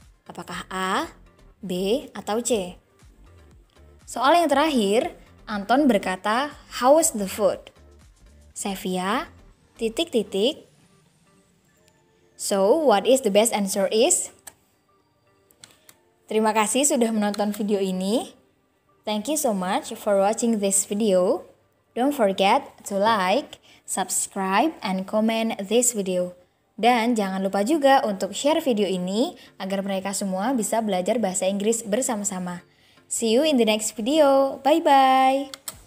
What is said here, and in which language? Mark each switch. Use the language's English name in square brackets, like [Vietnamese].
[Indonesian] Apakah A, B, atau C? Soal yang terakhir, Anton berkata, [English] how was the food? Sevilla, titik-titik. So, what is the best answer is? [Indonesian] Terima kasih sudah menonton video ini. [English] Thank you so much for watching this video. Don't forget to like, subscribe, and comment this video. [Indonesian] Dan jangan lupa juga untuk share video ini agar mereka semua bisa belajar bahasa Inggris bersama-sama. [English] See you in the next video. [Indonesian] Bye-bye.